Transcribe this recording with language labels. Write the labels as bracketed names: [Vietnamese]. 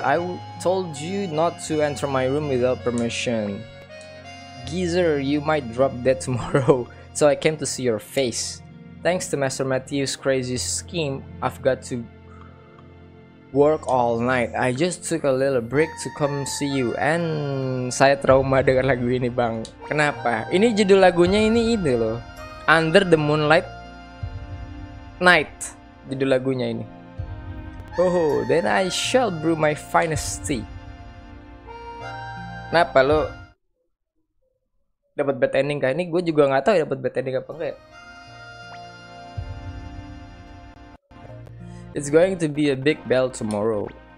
[English] I told you not to enter my room without permission. Geezer, you might drop dead tomorrow, so I came to see your face. Thanks to Master Matthew's crazy scheme, I've got to work all night. I just took a little break to come see you." [Indonesian] And saya trauma dengan lagu ini, Bang. Kenapa? Ini judul lagunya ini loh. Under the Moonlight Night. Judul lagunya ini. [English] "Oh, then I shall brew my finest tea." [Indonesian] Kenapa lo dapat bad ending kah? Ini gue juga enggak tahu dapat bad ending apa enggak. [English] "It's going to be a big battle tomorrow."